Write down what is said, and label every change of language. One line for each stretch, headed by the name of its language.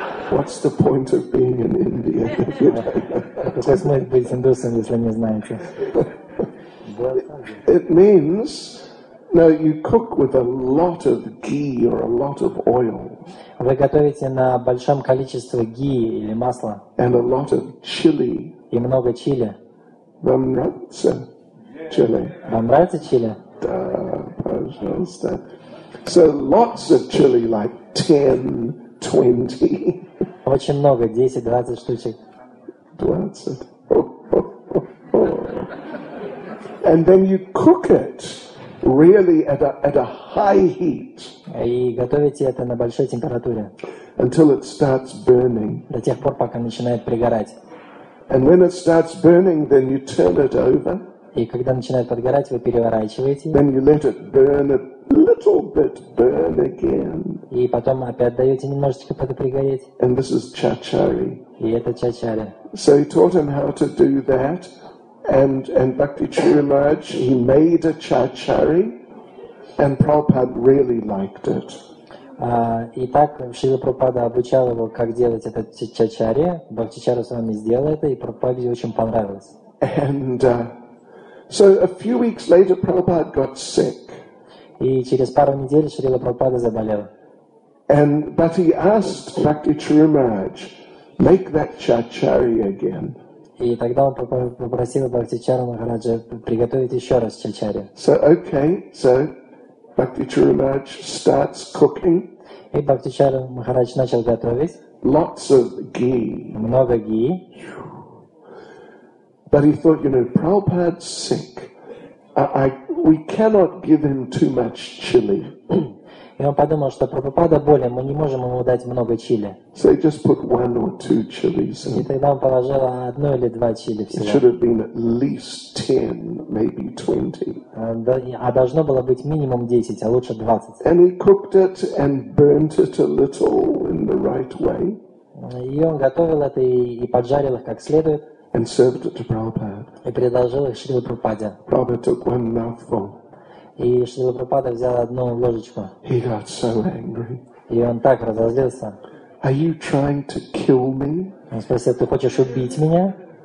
English: What's the point of being in India?
Russian: Какой смысл быть индусом, если не знаете?
English: It means... No, you cook with a lot of ghee or a lot of oil.
Russian: Вы готовите на большом количестве ги или масла.
English: And a lot of chili.
Russian: И много чили. Вам нравится чили? Вам нравится чили? Да, пожалуйста.
English: So lots of chili, like 10, 20.
Russian: Очень много, 10-20 штучек.
English: 20. And then you cook it. Really at a high heat.
Russian: И готовите это на большой температуре.
English: Until it starts burning.
Russian: До тех пор, пока начинает пригорать.
English: And when it starts burning, then you turn it over.
Russian: И когда начинает подгорать, вы переворачиваете.
English: Then you let it burn a little bit, burn again.
Russian: И потом опять даете немножечко подпригореть.
English: And this is chachari.
Russian: И это чачари.
English: So he taught him how to do that. And Bhakti Charu Maharaj, he made a chachari, and Prabhupada really liked it.
Russian: И так Шрила Прабхупада обучал его, как делать этот чачари. Бхакти Чару с вами сделал это, и Прабхупаде очень понравилось.
English: And So a few weeks later, Prabhupada got sick.
Russian: И через пару недель Шрила Прабхупада заболел.
English: And but he asked Bhakti Chiru Maharaj, make that chachari again.
Russian: И тогда он попросил Бхакти Чару Махараджа приготовить еще раз чачари.
English: So okay, so Bhakti Chiru Maharaj starts cooking.
Russian: И Бхакти Чару Махарадж начал готовить.
English: Lots of ghee.
Russian: Много ghee.
English: But he thought, you know, Prabhupada's sick. We cannot give him too much chili.
Russian: И он подумал, что Прабхупада болен, мы не можем ему дать много чили.
English: So he just put one or two chilies.
Russian: И тогда он положил одно или два чили всего.
English: It should have been at least 10, maybe 20.
Russian: А должно было быть минимум 10, а лучше 20.
English: And he cooked it and burnt it a little in the right way.
Russian: И он готовил это и поджарил их как следует.
English: And served it to Prabhupada.
Russian: И предложил их Шриле Прабхупаде.
English: Prabhupada took one mouthful.
Russian: И Шрила Прабхупада взял одну ложечку.
English: He got so angry.
Russian: И он так разозлился.
English: Are you trying to kill me?
Russian: Он спросил, ты хочешь убить меня?